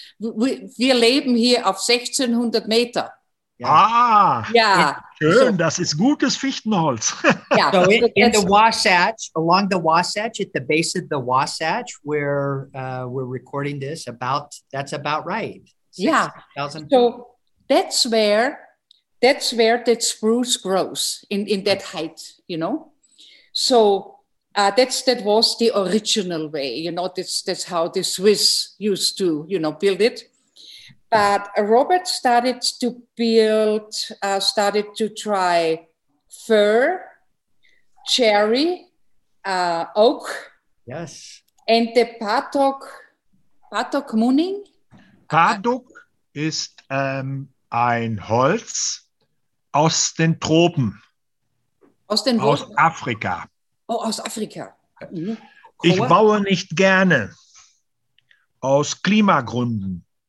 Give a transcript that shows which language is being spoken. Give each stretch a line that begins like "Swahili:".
German: Wir leben hier auf 1,600 Meter. Yeah. Ah, yeah. Schön, das ist gutes Fichtenholz. Yeah.
English: So in the Wasatch, along the Wasatch, at the base of the Wasatch, where we're recording this, that's about right. 6, yeah. 000. So that's where that spruce grows in that height, you know. So that was the original way, you know. That's how the Swiss used to, you know, build it. But Robert started to try fir, cherry, oak. Yes. And the Paduk Muning?
German: Paduk ist ein Holz aus den Tropen. Aus den Tropen? Aus Afrika. Oh, aus Afrika. Ich baue nicht gerne aus Klimagründen.